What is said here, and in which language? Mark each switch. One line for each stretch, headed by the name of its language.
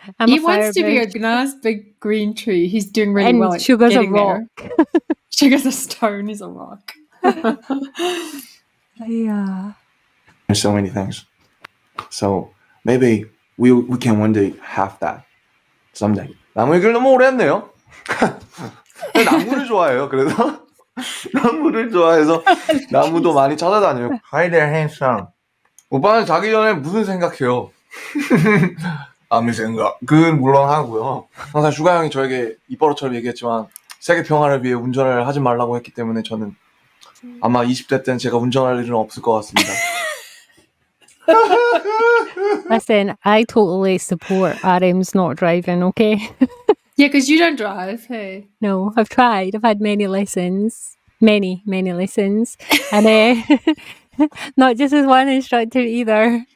English: He wants to be a nice big green tree. He's doing really and well. And sugar's a rock. Sugar's a stone. He's a rock. Yeah. There's so many things. So maybe we can one day have that someday.
Korean: 나무 얘기를 너무 오래 했네요. 나무를 좋아해요. 그래서 나무를 좋아해서 나무도 많이 찾아다녀요.
English: Hi there, handsome.
Korean: 오빠는 자기 전에 무슨 생각해요? 아무 생각. 그건 물론 하고요. 항상 슈가 형이 저에게 입버릇처럼 얘기했지만 세계 평화를 위해 운전을 하지 말라고 했기 때문에 저는 아마 20대 때는 제가 운전할 일은 없을 것 같습니다.
English: Listen, I totally support Adam's not driving, okay? Yeah, because you don't drive, hey? No, I've tried. I've had many lessons. Many, many lessons. And not just as one instructor either.